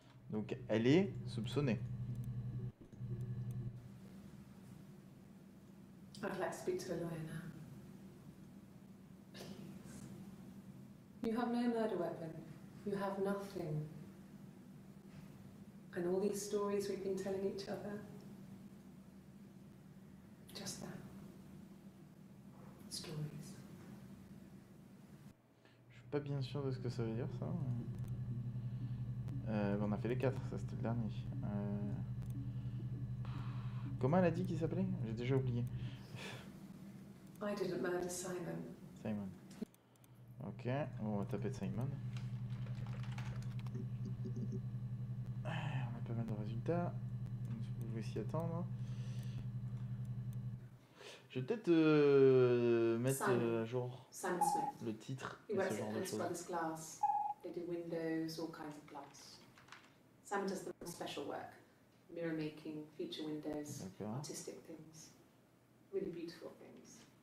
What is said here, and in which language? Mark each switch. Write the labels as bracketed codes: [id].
[fr] Donc elle est soupçonnée. [en] I'd like to speak to a lawyer now. You have no murder weapon. You have nothing. And all these stories we've been telling each other. Just that. Stories. [fr] Je suis pas bien sûr de ce que ça veut dire, ça. On a fait les quatre, ça c'était le dernier. Comment elle a dit qu'il s'appelait? J'ai déjà oublié. [en] I didn't murder Simon. [fr] Simon. Ok, on va taper de Simon. On va pas mal de résultats. Vous pouvez s'y attendre. Je vais peut-être mettre à jour le titre et ce genre de choses. [en] They do windows, all kinds of glass. Simon does the most special work. Mirror making, feature windows, [fr] d'accord. [en] Artistic things. Really beautiful things.